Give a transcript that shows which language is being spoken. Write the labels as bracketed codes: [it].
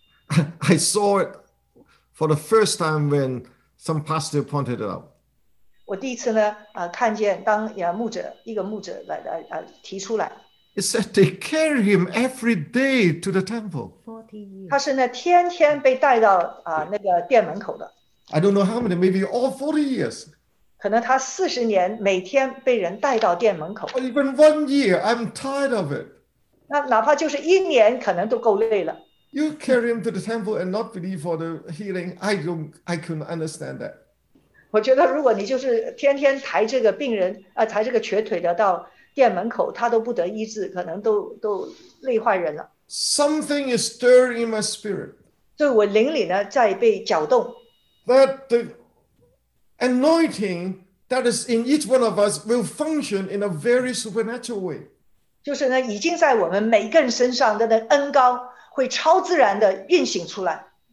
[en] I saw it for the first time when some pastor pointed it out. [zh] 我第一次呢, 看见当牧者提出来。 [en] It said they carry him every day to the temple. [zh] 他是呢天天被带到 那个殿门口的。 [en] I don't know how many, maybe all 40 years. [zh] 可能他40年每天被人带到殿门口。 [en] Or even 1 year, I'm tired of it. [zh] 那哪怕就是一年可能都够累了。 [en] You carry him to the temple and not believe for the healing, I couldn't understand that. [zh] 我觉得如果你就是天天抬这个病人, 抬这个瘸腿的到 店门口, 他都不得医治, 可能都累坏人了。 [en] Something is stirring in my spirit. [zh] 对我灵里呢, 在被搅动。 [en] That the anointing that is in each one of us will function in a very supernatural way. [zh] 就是呢, 已经在我们每个人身上的恩膏会超自然地运行出来。